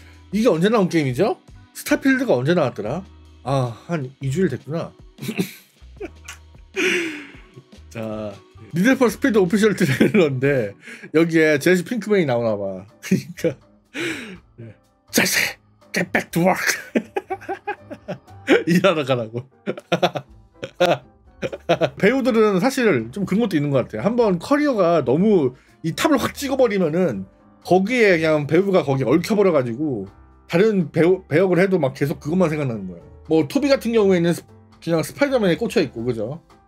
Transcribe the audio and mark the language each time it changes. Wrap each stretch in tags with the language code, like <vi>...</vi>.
<ko>이게 언제 나온 게임이죠? 스타필드가 언제 나왔더라? 아, 한 2주일 됐구나. 자, 니드포 스피드 오피셜 트레일러인데 여기에 제시 핑크맨이 나오나 봐. 그러니까</ko> <en>제시, get back to work.</en> <ko>일하러 가라고. 배우들은 사실 좀 그런 것도 있는 것 같아요. 한번 커리어가 너무 이 탑을 확 찍어버리면은 거기에 그냥 배우가 거기 얽혀버려가지고 다른 배역을 해도 막 계속 그것만 생각나는 거예요. 뭐 토비 같은 경우에는 그냥 스파이더맨에 꽂혀 있고, 그죠?</ko>